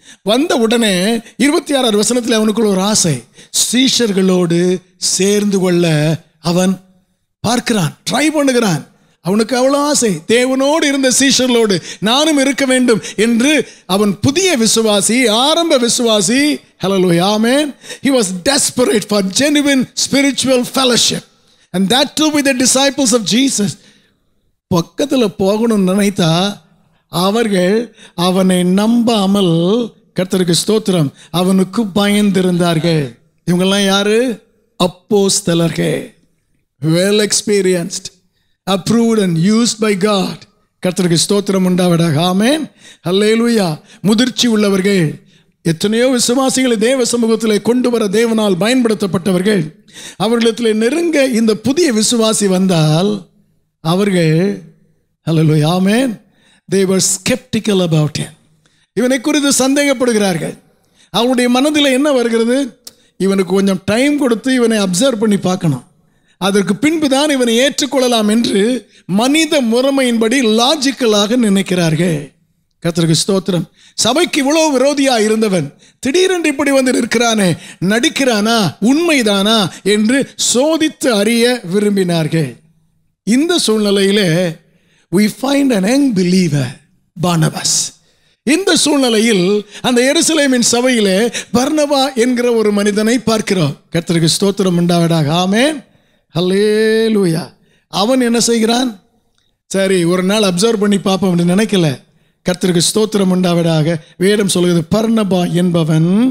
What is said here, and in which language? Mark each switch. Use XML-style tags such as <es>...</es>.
<ta>வந்த உடனே 26 வசனத்தில் அவனுக்குள்ள ஒரு ஆசை, சீஷர்களோடு சேர்ந்து கொள்ள அவன் பார்க்கிறான், ட்ரை பண்ணுகிறான். அவனுக்கு அவ்வளோ ஆசை, தேவனோடு இருந்த சீஷர்களோடு நானும் இருக்க வேண்டும் என்று அவன் புதிய விசுவாசி, ஆரம்ப விசுவாசி. Hallelujah, amen.</ta> <en>He was desperate for genuine spiritual fellowship, and that too with the disciples of Jesus.</en> <ta>பக்கத்துல போகணும் நினைத்தா அவர்கள் அவனை நம்பாமல், கர்த்தருக்கு ஸ்தோத்திரம், அவனுக்கு பயந்திருந்தார்கள். இவங்கெல்லாம் யாரு? அப்போஸ்தலர்கள்,</ta> <en>well experienced, approved and used by God.</en> <ta>கர்த்தருக்கு ஸ்தோத்திரம் உண்டாவதாக, ஆமென். Hallelujah. முதிர்ச்சி உள்ளவர்கள், எத்தனையோ விசுவாசிகளை தேவ சமூகத்திலே கொண்டு வர தேவனால் பயன்படுத்தப்பட்டவர்கள். அவர்களிடத்தில் நெருங்க இந்த புதிய விசுவாசி வந்தால் அவர்கள், ஹல்லேலூயா, ஆமென்,</ta> <en>they were skeptical about him.</en> <ta>இவனை குறித்து சந்தேகப்படுகிறார்கள். அவருடைய மனதில் என்ன வருகிறது? இவனுக்கு கொஞ்சம் டைம் கொடுத்து இவனை அப்சர்வ் பண்ணி பார்க்கணும், அதற்கு பின்பு தான் இவனை ஏற்றுக்கொள்ளலாம் என்று மனித முறைமையின்படி லாஜிக்கலாக நினைக்கிறார்கள். கர்த்தருக்கு ஸ்தோத்திரம். சபைக்கு இவ்வளவு விரோதியா இருந்தவன் திடீரென்று இப்படி வந்து நிற்கிறானே, நடிக்கிறானா, உண்மைதானா என்று சோதித்து அறிய விரும்பினார்கள். இந்த சூழ்நிலையிலே</ta> <en>we find an unbeliever Barnabas.</en> <ta>இந்த சூழ்நிலையில் அந்த எருசலேமின் சபையிலே பர்னபா என்கிற ஒரு மனிதனை பார்க்கிறோம். கர்த்தருக்கு ஸ்தோத்திரம் உண்டாவதாக, ஆமென். ஹல்லேலூயா. அவன் என்ன செய்கிறான்? சரி, ஒரு நாள் அப்சர்வ் பண்ணி பார்ப்போம் என்று நினைக்கல. கர்த்தருக்கு ஸ்தோத்திரம் உண்டாவதாக. வேதம் சொல்கிறது பர்னபா என்பவன்</ta>